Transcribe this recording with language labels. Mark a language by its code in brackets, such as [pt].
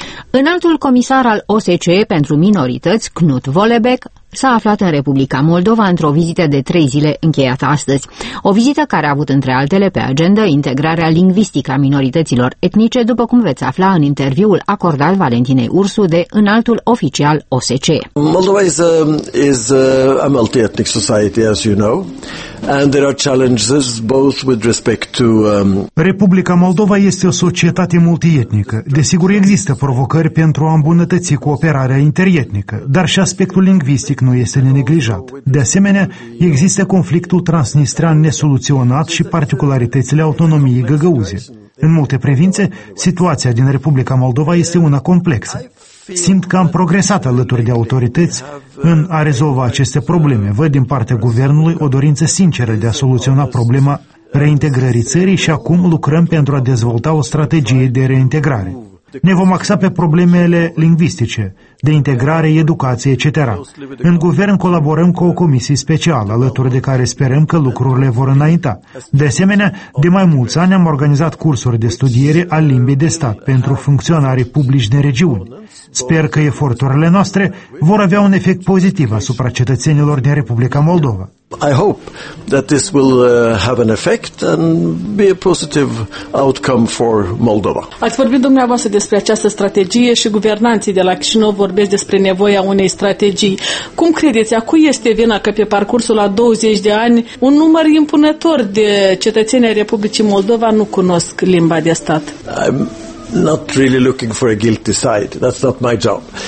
[ro] Înaltul comisar al OSCE pentru minorități, Knut Vollebec, s-a aflat în Republica Moldova într-o vizită de 3 zile încheiată astăzi. O vizită care a avut, între altele, pe agenda integrarea lingvistică a minorităților etnice, după cum veți afla în interviul acordat Valentinei Ursu de înaltul oficial OSCE. [en] Moldova is a multi-ethnic society, as you know, and there are challenges both with respect to [ro] Republica Moldova este o societate multietnică. Desigur, există provocări pentru a îmbunătăți cooperarea interietnică, dar și aspectul lingvistic nu este neglijat. De asemenea, există conflictul transnistrean nesoluționat și particularitățile autonomiei găgăuze. În multe privințe, situația din Republica Moldova este una complexă. Simt că am progresat alături de autorități în a rezolva aceste probleme. Văd din partea guvernului o dorință sinceră de a soluționa problema reintegrării țării și acum lucrăm pentru a dezvolta o strategie de reintegrare. Ne vom axa pe problemele lingvistice, de integrare, educație, etc. În guvern colaborăm cu o comisie specială, alături de care sperăm că lucrurile vor înainta. De asemenea, de mai mulți ani am organizat cursuri de studiere a limbii de stat pentru funcționarii publici din regiuni. Sper că eforturile noastre vor avea un efect pozitiv asupra cetățenilor din Republica Moldova. [en] I hope that this will have an effect and be a positive outcome for Moldova. [ro] Ați vorbit dumneavoastră despre această strategie și guvernanții de la Chișinău vorbesc despre nevoia unei strategii. Cum credeți, a cui este vina că pe parcursul a 20 de ani un număr impunător de cetățeni ai Republicii Moldova nu cunosc limba de stat? [en] Not really looking for a guilty side. That's not my job.